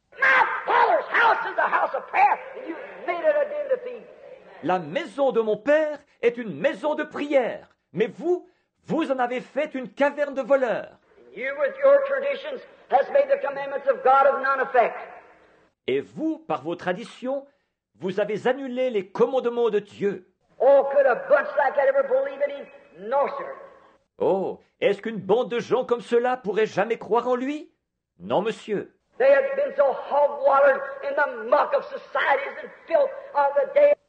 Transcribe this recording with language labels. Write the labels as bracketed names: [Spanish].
[English] My father's house is a house of prayer, and you made it a den of thieves. [French] La maison de mon père est une maison de prière, mais vous, vous en avez fait une caverne de voleurs. [English] You with your traditions has made the commandments of God of none effect. [French] Et vous, par vos traditions, vous avez annulé les commandements de Dieu. [English] Oh, could a bunch like that ever believe in him? No, sir. [French] Oh, est-ce qu'une bande de gens comme cela pourrait jamais croire en lui? Non, monsieur. [English] They had been so hog-watered in the muck of societies and filth of the day.